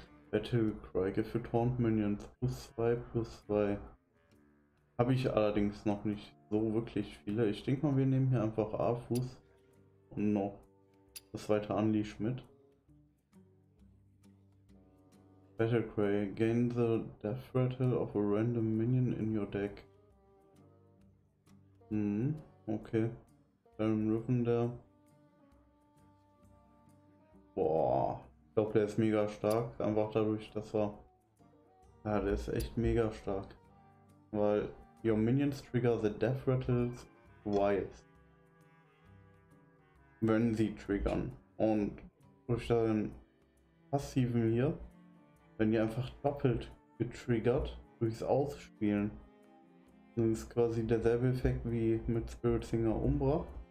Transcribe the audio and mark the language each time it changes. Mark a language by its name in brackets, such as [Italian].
[German] Battlecry für Taunt Minions +2/+2. Habe ich allerdings noch nicht so wirklich viele. Ich denke mal, wir nehmen hier einfach Afus und noch das zweite Unleash mit. [English] Battlecry, gain the death rattle of a random minion in your deck. [German] Okay. Baron Rivendell. Boah, ich glaube, der ist mega stark. Einfach dadurch, dass er. Ja, der ist echt mega stark. Weil [English] your minions trigger the death rattles twice. [German] Wenn sie triggern. Und durch deinen passiven hier, wenn die einfach doppelt getriggert durchs Ausspielen. Das ist quasi derselbe Effekt wie mit Spirit Singer Umbra.